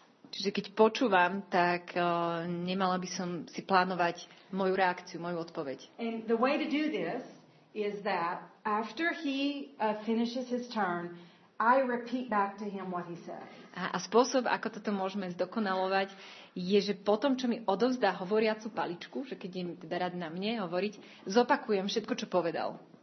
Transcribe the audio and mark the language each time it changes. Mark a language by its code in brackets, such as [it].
[sk] Čiže keď počúvam, tak nemala by som si plánovať moju reakciu, moju odpoveď. [en] And the way to do this is that after he finishes his turn, I repeat back to him what he said. [sk] A spôsob, ako toto môžeme zdokonalovať, je, že potom, čo mi odovzdá hovoriacu paličku, že keď im teda rád na mne hovoriť, zopakujem všetko, čo povedal.